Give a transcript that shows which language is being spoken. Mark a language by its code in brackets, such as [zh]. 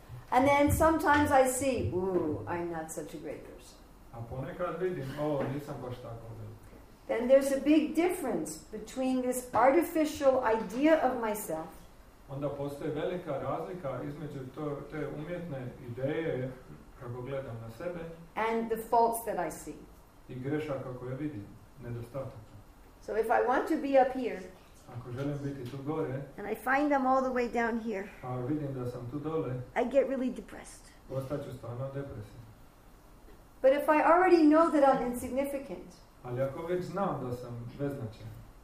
[en] And then sometimes I see, ooh, I'm not such a great person. [hr] A ponekad vidim, oh, nisam baš tako velika. [en] Then there's a big difference between this artificial idea of myself. [hr] Onda postoji velika razlika između te umjetne ideje kako gledam na sebe. [en] And the faults that I see. [hr] I grešaka koje vidim, nedostataka. [en] So if I want to be up here. [hr] Ako želim biti tu gore. [en] And I find them all the way down here. [hr] A vidim da sam tu dole. [en] I get really depressed. [hr] Ostaću stvarno depresivan. [en] But if I already know that I'm insignificant. [hr] Ali ako već znam da sam beznačajan.